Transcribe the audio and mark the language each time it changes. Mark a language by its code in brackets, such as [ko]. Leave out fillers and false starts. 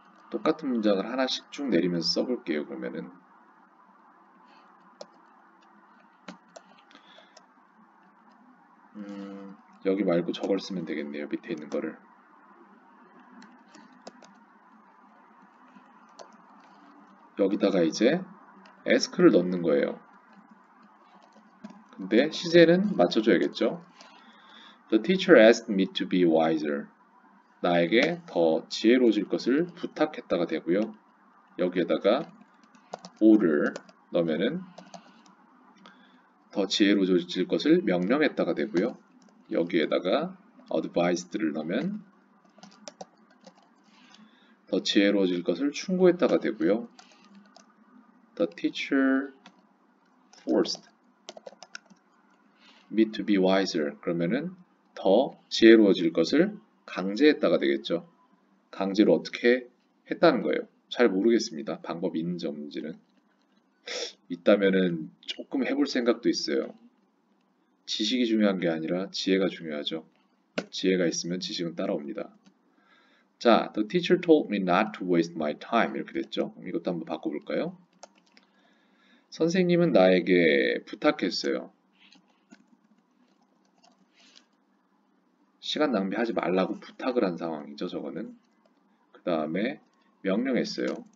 [ko] 똑같은 문장을 하나씩 쭉 내리면서 써볼게요. 그러면은 여기 말고 저걸 쓰면 되겠네요. 밑에 있는 거를. 여기다가 이제 ask를 넣는 거예요. 근데 시제는 맞춰줘야겠죠? [en] The teacher asked me to be wiser. [ko] 나에게 더 지혜로워질 것을 부탁했다가 되고요. 여기에다가 or를 넣으면은 더 지혜로워질 것을 명령했다가 되고요. 여기에다가 advised를 넣으면 더 지혜로워질 것을 충고했다가 되고요. [en] The teacher forced me to be wiser. [ko] 그러면은 더 지혜로워질 것을 강제했다가 되겠죠. 강제로 어떻게 했다는 거예요? 잘 모르겠습니다. 방법이 있는지 없는지는. 있다면은 조금 해볼 생각도 있어요. 지식이 중요한 게 아니라 지혜가 중요하죠. 지혜가 있으면 지식은 따라옵니다. [en] 자, The teacher told me not to waste my time. [ko] 이렇게 됐죠. 이것도 한번 바꿔볼까요? 선생님은 나에게 부탁했어요. 시간 낭비하지 말라고 부탁을 한 상황이죠, 저거는. 그 다음에 명령했어요.